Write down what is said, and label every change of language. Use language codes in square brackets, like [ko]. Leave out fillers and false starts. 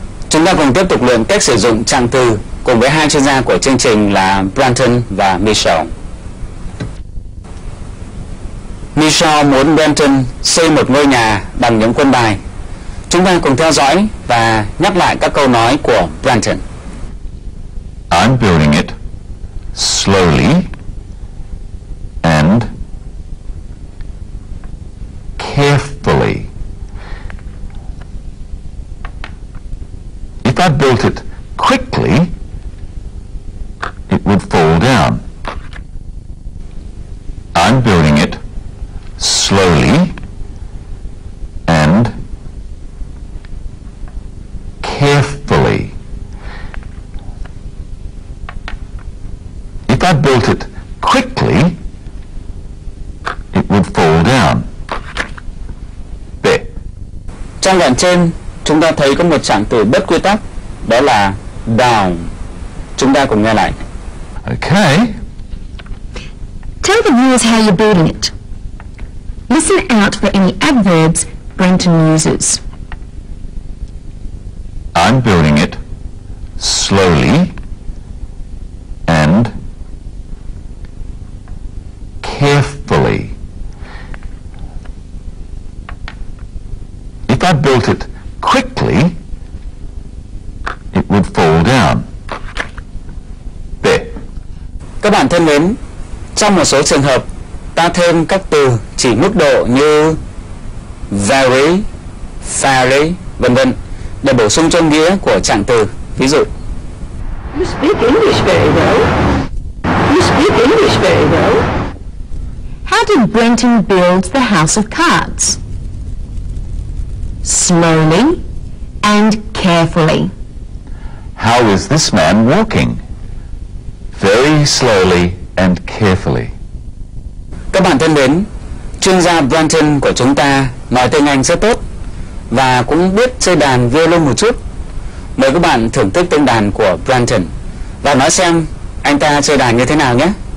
[vi] Chúng ta cùng tiếp tục luyện cách sử dụng trạng từ cùng với hai chuyên gia của chương trình là Branton và Michelle. Michelle muốn Branton xây một ngôi nhà bằng những quân bài. Chúng ta cùng theo dõi và nhắc lại các câu nói của Branton. [en] I'm building it slowly and carefully. If I built it quickly, it would fall down. I'm building it slowly and carefully. If I built it quickly, it would fall down. [vi] Trong đoạn trên, chúng ta thấy có một trạng từ bất quy tắc, đó là down. Chúng ta cùng nghe lại. [en] Okay. Tell the viewers how you're building it. Listen out for any adverbs Branton uses. I'm building it slowly and carefully. If I built it quickly, it would fall down. [vi] Các bạn thân mến, trong một số trường hợp ta thêm các từ chỉ mức độ như very, fairly, vân vân để bổ sung cho nghĩa của trạng từ. Ví dụ: [en] You speak English very well. You speak English very well. How did Branton build the house of cards? Slowly and carefully. How is this man walking? Very slowly and carefully. [vi] Các bạn thân mến, chuyên gia Branton của chúng ta nói tiếng Anh rất tốt và cũng biết chơi đàn violin một chút. Mời các bạn thưởng thức tiếng đàn của Branton và nói xem anh ta chơi đàn như thế nào nhé.